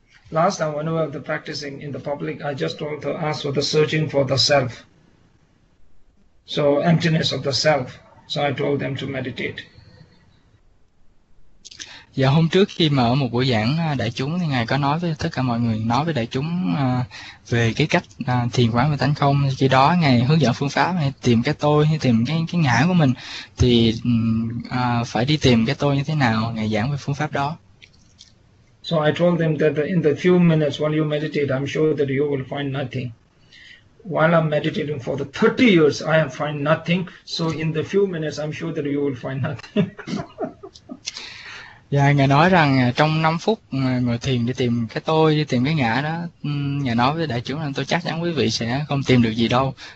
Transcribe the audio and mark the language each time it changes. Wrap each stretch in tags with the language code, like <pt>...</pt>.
<en>Last time when we were practicing in the public, I just told her, ask for the searching for the self. So emptiness of the self. So I told them to meditate.</en> <vi>Dạ, hôm trước khi mà ở một buổi giảng đại chúng thì ngài có nói với tất cả mọi người, nói với đại chúng về cái cách thiền quán về tánh không. Khi đó ngài hướng dẫn phương pháp hay tìm cái tôi hay tìm cái ngã của mình, thì phải đi tìm cái tôi như thế nào, ngài giảng về phương pháp đó.</vi> <en>So I told them that in the few minutes while you meditate, I'm sure that you will find nothing. While I'm meditating for the 30 years, I have find nothing. So in the few minutes, I'm sure that you will find nothing.</en> <vi>Và ngài nói rằng trong 5 phút ngồi thiền đi tìm cái tôi, đi tìm cái ngã đó, ngài nói với đại chúng là: tôi chắc chắn quý vị sẽ không tìm được gì đâu.</vi>